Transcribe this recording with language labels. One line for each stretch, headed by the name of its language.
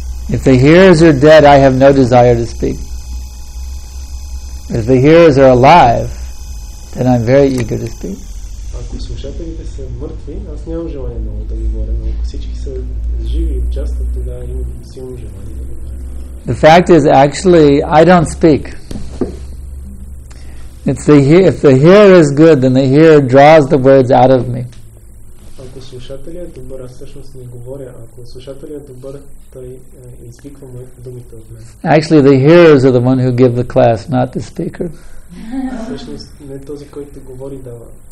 English: If the hearers are dead, I have no desire to speak. If the hearers are alive, then I'm very eager to speak.
Bulgarian: Ако слушателите са мъртви, аз нямам желание много да ви говоря, но ако всички са живи и участват, тогава имам силно желание да ви говоря.
English: The fact is, actually, I don't speak. If the hearer is good, then the hearer draws the words out of me.
Bulgarian: Ако слушателят е добър, аз всъщност не говоря. Ако слушателят е добър, той извиква моите думи от мен.
English: Actually, the hearers are the one who give the class, not the speaker.
Bulgarian: Всъщност не този, който говори, дава.